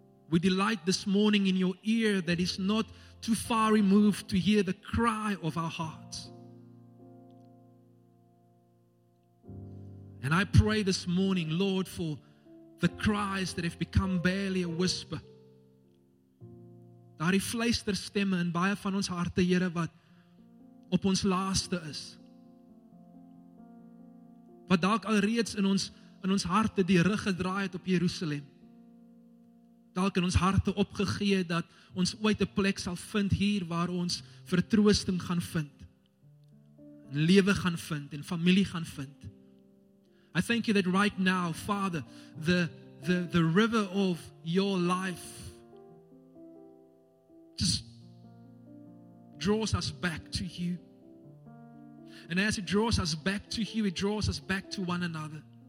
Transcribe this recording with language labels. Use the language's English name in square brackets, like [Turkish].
[English] We delight this morning in your ear that is not too far removed to hear the cry of our hearts. And I pray this morning, Lord, for the cries that have become barely a whisper. [Afrikaans] Daar die fluisterstemme in baie van ons harte, Here, wat op ons laaste is. Wat dalk alreeds in ons harte die rug gedraai het op Jerusalem. dalk in ons harte opgegee dat ons ooit 'n plek sal vind hier waar ons vertroosting gaan vind, lewe gaan vind en familie gaan vind. [English] I thank you that right now, Father, the river of your life just draws us back to you. And as it draws us back to you, it draws us back to one another.